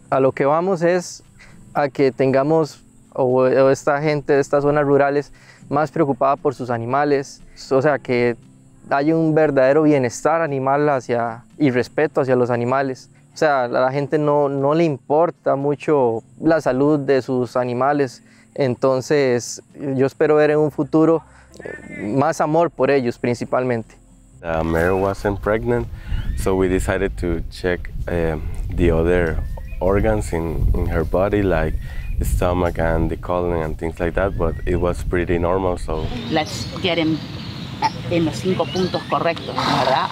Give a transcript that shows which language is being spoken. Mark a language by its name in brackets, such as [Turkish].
[Spanish] A lo que vamos es a que tengamos o esta gente de estas zonas rurales más preocupada por sus animales, o sea, que hay un verdadero bienestar animal hacia y respeto hacia los animales. O sea, a la gente no le importa mucho la salud de sus animales. Entonces, yo espero ver en un futuro más amor por ellos, principalmente. [English] Mary wasn't pregnant, so we decided to check the other organs in her body, like the stomach and the colon and things like that, but it was pretty normal, so. Let's get him [Spanish] en los cinco puntos correctos, ¿verdad?